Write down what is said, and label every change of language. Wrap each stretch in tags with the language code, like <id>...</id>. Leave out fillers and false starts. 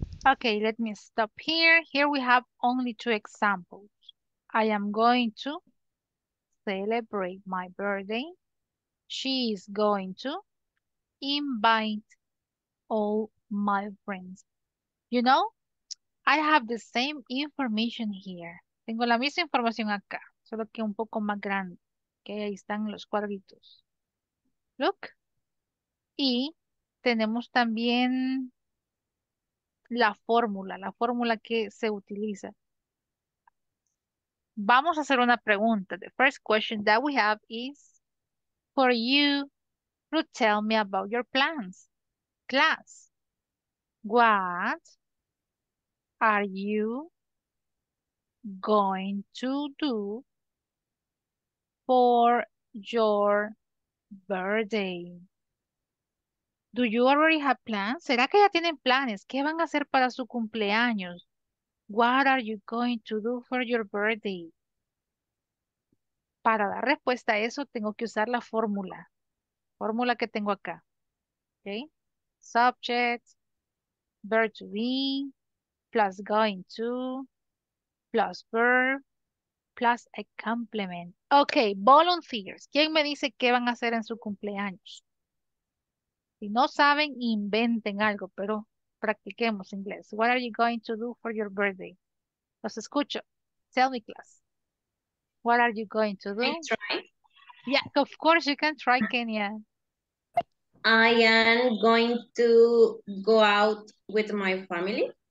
<en>Okay, let me stop here. Here we have only two examples. I am going to celebrate my birthday. She is going to invite all my friends. You know, I have the same information here.</en> <es>Tengo la misma información acá, solo que un poco más grande. Okay, ahí están los cuadritos. Look. Y tenemos también la fórmula que se utiliza. Vamos a hacer una pregunta.</es> <en>The first question that we have is for you to tell me about your plans. Class, what are you going to do for your birthday? Do you already have plans?</en> <es>¿Será que ya tienen planes? ¿Qué van a hacer para su cumpleaños?</es> <en>What are you going to do for your birthday?</en> <es>Para dar respuesta a eso, tengo que usar la fórmula. Fórmula que tengo acá.</es> <en>Okay? Subject, verb to be, plus going to, plus verb, plus a complement. Okay, volunteers.</en> <es>¿Quién me dice qué van a hacer en su cumpleaños? Si no saben, inventen algo, pero practiquemos inglés.</es> <en>What are you going to do for your birthday?</en> <es>Los escucho.</es> <en>Tell me, class. What are you going to do? I try. Yeah, of course you can try, Kenya. I am going to go out with my family.</en>